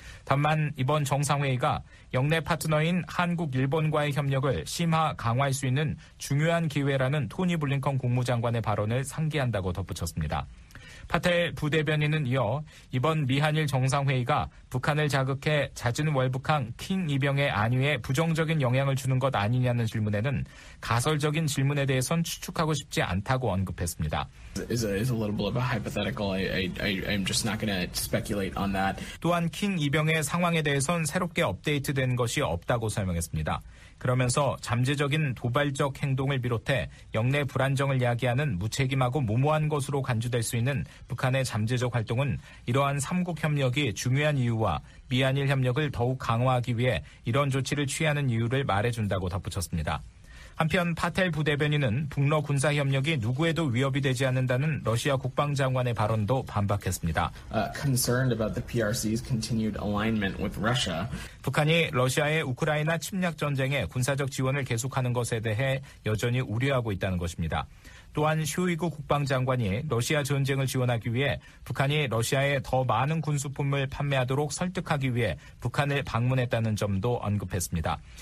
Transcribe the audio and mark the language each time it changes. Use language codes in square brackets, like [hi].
[ko] 다만 이번 정상회의가 역내 파트너인 한국, 일본과의 협력을 심화, 강화할 수 있는 중요한 기회라는 토니 블링컨 국무장관의 발언을 상기한다고 덧붙였습니다. 파텔 부대변인은 이어 이번 미한일 정상회의가 북한을 자극해 잦은 월북항 킹 이병의 안위에 부정적인 영향을 주는 것 아니냐는 질문에는 가설적인 질문에 대해선 추측하고 싶지 않다고 언급했습니다. [en] It's a little bit of a hypothetical. I'm just not going to speculate on that. [ko] 또한 킹 이병의 상황에 대해선 새롭게 업데이트된 것이 없다고 설명했습니다. 그러면서 잠재적인 도발적 행동을 비롯해 역내 불안정을 야기하는 무책임하고 무모한 것으로 간주될 수 있는 북한의 잠재적 활동은 이러한 3국 협력이 중요한 이유와 미한일 협력을 더욱 강화하기 위해 이런 조치를 취하는 이유를 말해준다고 덧붙였습니다. 한편 파텔 부대변인은 북러 군사협력이 누구에도 위협이 되지 않는다는 러시아 국방장관의 발언도 반박했습니다. [en] Concerned about the PRC's continued alignment with Russia. [ko] 북한이 러시아의 우크라이나 침략 전쟁에 군사적 지원을 계속하는 것에 대해 여전히 우려하고 있다는 것입니다. 또한 쇼이구 국방장관이 러시아 전쟁을 지원하기 위해 북한이 러시아에 더 많은 군수품을 판매하도록 설득하기 위해 북한을 방문했다는 점도 언급했습니다.